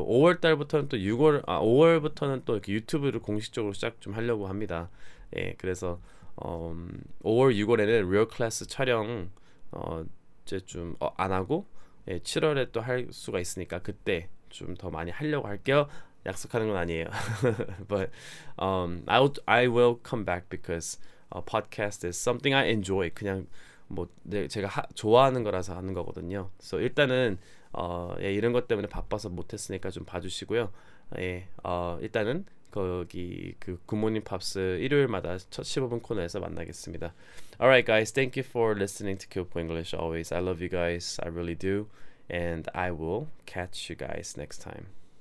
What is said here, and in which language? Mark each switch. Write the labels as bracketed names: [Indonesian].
[Korean] So 5월 달부터는 또 6월 아 5월부터는 또 이렇게 유튜브를 공식적으로 시작 좀 하려고 합니다. 예, 그래서 5월 6월에는 리얼 클래스 촬영 이제 좀안 하고 예, 7월에 또할 수가 있으니까 그때 좀더 많이 하려고 할게요. 약속하는 건 아니에요. [English] But I will come back because podcast is something I enjoy. [Korean] 그냥 뭐 제가 좋아하는 거라서 하는 거거든요. So 일단은 예, 이런 것 때문에 바빠서 못 했으니까 좀 봐주시고요. 예, 일단은 거기 그 굿모닝 팝스 일요일마다 첫 15분 코너에서 만나겠습니다. [English] Alright, guys, thank you for listening to Kyopo English always. I love you guys, I really do, and I will catch you guys next time.